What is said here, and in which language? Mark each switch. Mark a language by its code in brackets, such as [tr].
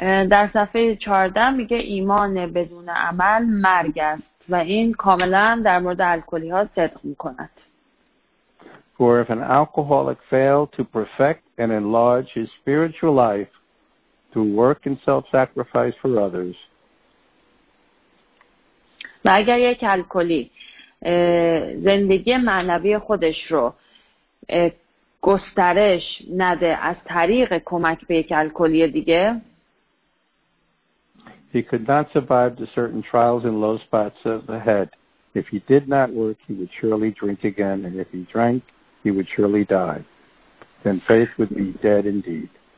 [fa] در صفحه 14 میگه ایمان بدون عمل مرگ است و این کاملا در مورد الکلی ها صدق میکند. [en] For if an alcoholic failed to perfect and enlarge his spiritual life through work and self-sacrifice for others, [fa] و اگر یک الکلی زندگی معنوی خودش رو گسترش نده از طریق کمک به یک الکلی دیگه، [en] he could not survive the certain trials and low spots of the head. If he did not work, he would surely drink again, and if he drank, he would surely die. Then faith would be dead indeed.